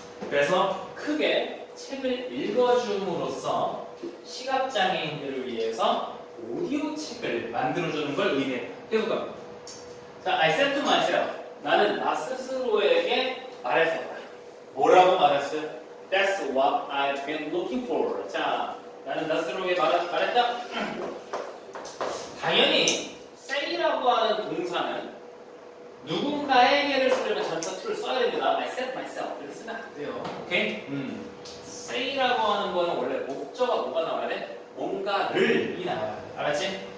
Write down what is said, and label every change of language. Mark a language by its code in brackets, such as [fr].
[ko] 그래서 크게 책을 읽어줌으로써 시각장애인들을 위해서 오디오 책을 만들어주는 걸 의미해. 해볼까? 자, [en] I said to myself [ko] 나는 나 스스로에게 말했어. 뭐라고 말했어요? [en] That's what I've been looking for. [ko] 자, 나는 나 스스로에게 말했다. 당연히 say라고 하는 동사는 누군가에게를 쓰려면 전체 툴을 써야 됩니다. [en] I said myself. [ko] 이렇게 쓰면 안 돼요. 오케이? say라고 하는 거는 원래 목적어가 뭐가 나와야 돼? 뭔가를이 나와야 돼. 알았지?